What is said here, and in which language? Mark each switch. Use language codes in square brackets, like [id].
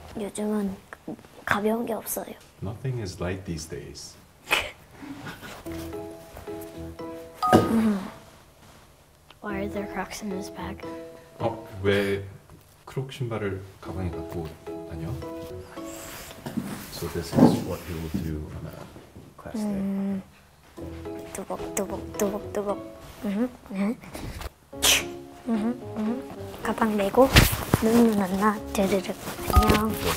[ko] 요즘은 가벼운 게 없어요. [en] Nothing is light these days. [ko] 왜 [en] are there Crocs in this bag? [ko] 어, 왜 크록 신발을 가방에 갖고 다녀? [en] So this is what he will do on a class day. [ko] 두벅두벅두벅두벅. 가방 메고 눈눈 안 나 드르륵 안녕.